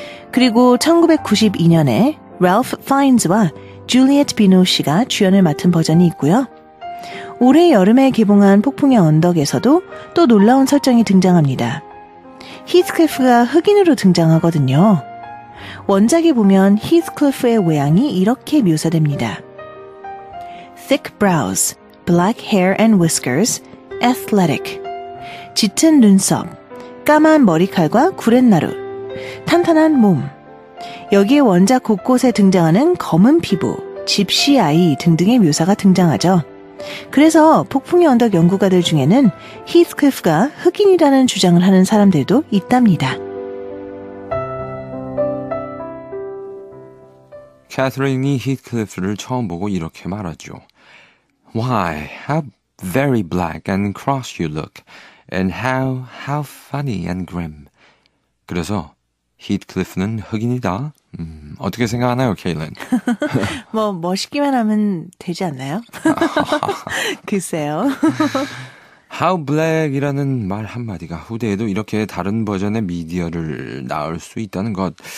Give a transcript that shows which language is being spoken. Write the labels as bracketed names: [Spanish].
[Korean] 그리고 1992년에 랄프 파인즈와 줄리엣 비노시가 주연을 맡은 버전이 있고요. 올해 여름에 개봉한 폭풍의 언덕에서도 또 놀라운 설정이 등장합니다. 히스클리프가 흑인으로 등장하거든요. 원작에 보면 히스클리프의 외양이 이렇게 묘사됩니다. [English] Thick brows, black hair and whiskers, athletic. [Korean] 짙은 눈썹, 까만 머리칼과 구렛나루, 탄탄한 몸, 여기에 원작 곳곳에 등장하는 검은 피부, 집시 아이 등등의 묘사가 등장하죠. 그래서 폭풍의 언덕 연구가들 중에는 히스클리프가 흑인이라는 주장을 하는 사람들도 있답니다. 캐서린이 히스클리프를 처음 보고 이렇게 말하죠. [English] Why, how very black and cross you look. And how funny and grim. [Korean] 그래서 히트클리프는 흑인이다. 어떻게 생각하나요, 케일린? 뭐 멋있기만 하면 되지 않나요? 글쎄요. [English] How black [Korean] 이라는 말 한마디가 후대에도 이렇게 다른 버전의 미디어를 낳을 수 있다는 것.